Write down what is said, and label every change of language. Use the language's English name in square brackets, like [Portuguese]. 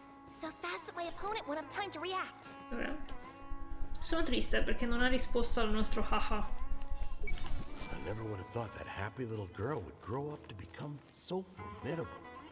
[English] So fast that my opponent won't have time to react. [Italian] Sono triste perché non ha risposto al nostro haha. [English] I never would have thought that happy little girl would grow up to become so formidable.